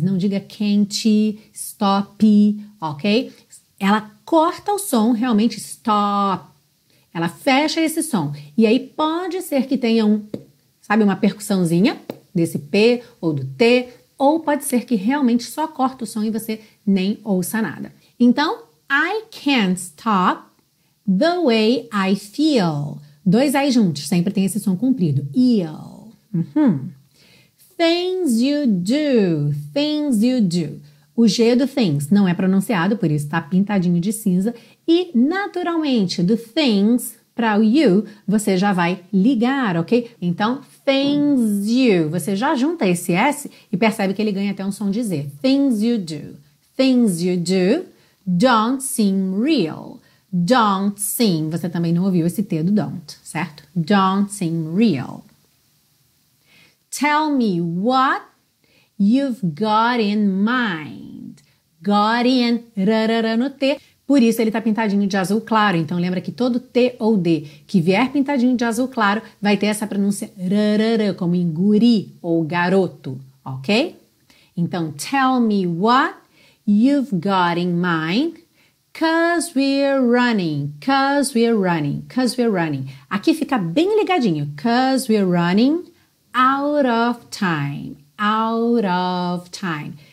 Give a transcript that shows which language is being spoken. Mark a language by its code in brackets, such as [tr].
[pt] Não diga [en] can't, stop, [pt] ok? Ela corta o som, realmente, [en] stop. [pt] Ela fecha esse som. E aí pode ser que tenha um, sabe, uma percussãozinha desse P ou do T. Ou pode ser que realmente só corta o som e você nem ouça nada. [en] Então, I can't stop the way I feel. [pt] Dois I juntos, sempre tem esse som comprido. [en] Eel. Uhum. Things you do, things you do. [pt] O G do things não é pronunciado, por isso está pintadinho de cinza. E naturalmente, do things para o you, você já vai ligar, ok? Então, [en] things you. [pt] Você já junta esse S e percebe que ele ganha até um som de Z. [en] Things you do. Things you do don't seem real. Don't seem. [pt] Você também não ouviu esse T do don't, certo? [en] Don't seem real. Tell me what you've got in mind. Got in. [pt] Rarara no T. Por isso ele está pintadinho de azul claro. Então lembra que todo T ou D que vier pintadinho de azul claro vai ter essa pronúncia rarara, como em guri ou garoto, ok? [en] Então, tell me what you've got in mind, cause we're running, cause we're running, cause we're running. [pt] Aqui fica bem ligadinho, [en] cause we're running out of time, out of time.